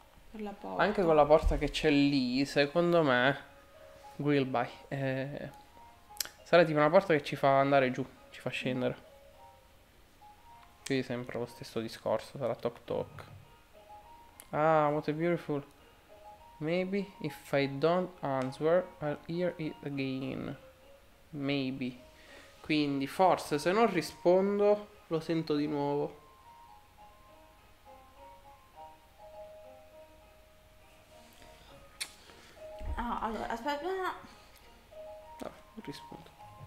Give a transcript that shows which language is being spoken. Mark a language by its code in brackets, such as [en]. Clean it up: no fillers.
[it] per la Anche con la porta che c'è lì, secondo me, grill by, sarà tipo una porta che ci fa andare giù, ci fa scendere. Quindi sempre lo stesso discorso, sarà toc toc. [en] Ah, what a beautiful. Maybe if I don't answer, I'll hear it again. Maybe. [it] Quindi, forse se non rispondo, lo sento di nuovo. Allora, aspetta. Rispondo.